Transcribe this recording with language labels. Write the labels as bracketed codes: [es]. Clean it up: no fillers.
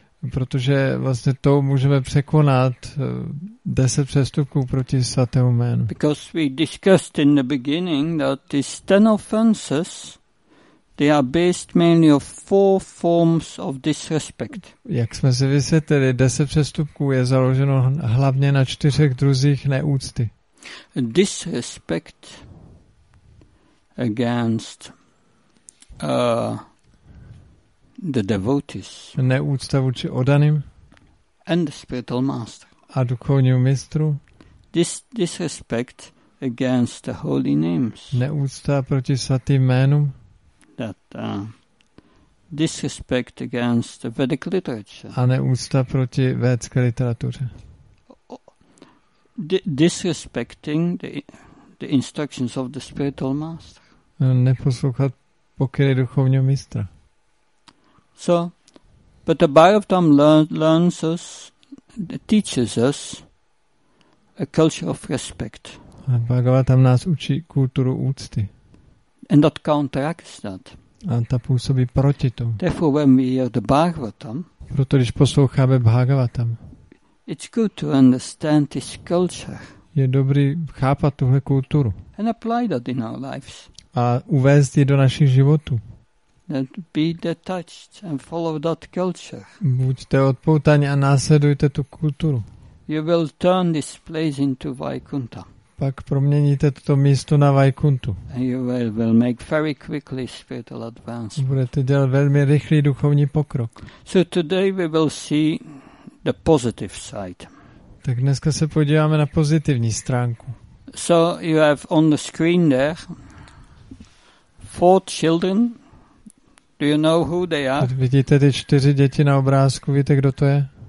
[cs] Protože vlastně tou můžeme překonat 10 přestupků proti svatému jménu. [en] Because we discussed in the beginning that these 10 offenses, they are based mainly of 4 forms of disrespect. [cs] Jak jsme si vysvětlili, 10 přestupků je založeno hlavně na 4 druzích neúcty. [en] Disrespect against the devotees. [cs] Neúcta vůči oddaným. [en] And the spiritual master. [cs] A duchovnímu mistru. [en] Disrespect against the holy names. [cs] Neúcta proti svatým jménům. [en] Disrespect against the Vedic literature. [cs] A neúcta proti védské literatuře. [en] Disrespecting the instructions of the spiritual master. [cs] Neposlouchat pokyny duchovního mistra. [en] So, but the Bhagavatam learns us, teaches us a culture of respect. [cs] A Bhagavatam nás učí kulturu úcty. [en] And that counteracts that. [cs] A ta působí proti tomu. [en] Therefore, when we hear the Bhagavatam, [cs] proto když posloucháme Bhagavatam, [en] it's good to understand this culture. [cs] Je dobrý chápat tuhle kulturu. [en] And apply that in our lives. [cs] A uvést ji do našich životů. [en] And be detached and follow that culture. [cs] Buďte odpoutaní a následujte tu kulturu. [en] You will turn this place into Vaikuntha. [cs] Pak proměníte toto místo na Vaikuntu. [en] And you will make very quickly spiritual advance. [cs] Budete dělat velmi rychlý duchovní pokrok. [en] So today we will see the positive side. [cs] Tak dneska se podíváme na pozitivní stránku. [en] So you have on the screen there 4 children. Do you know who they are? [cs] Vidíte ty 4 děti na obrázku, víte, kdo to je?